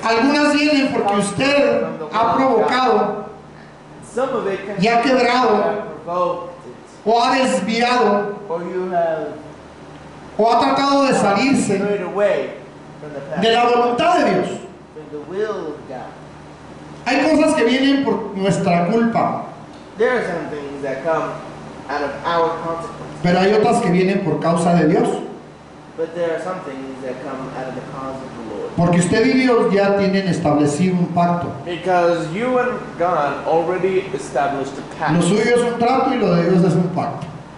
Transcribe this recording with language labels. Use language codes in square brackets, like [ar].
[es] algunas vienen porque usted ha provocado, [en] some of it can, [es] y ha quebrado, o ha desviado, [en] or you have, [es] o ha tratado de salirse de la voluntad de Dios. [en] The will of God. [es] Hay cosas que vienen por nuestra culpa. [en] There are some things that come out of our consequences. [es] Pero hay otras que vienen por causa de Dios. [en] But there are some things that come out of the cause of the Lord. [es] Porque usted y Dios ya tienen establecido un pacto. [en] Because you and God already established a pact. [es] Lo suyo es un trato y lo de Dios es un pacto.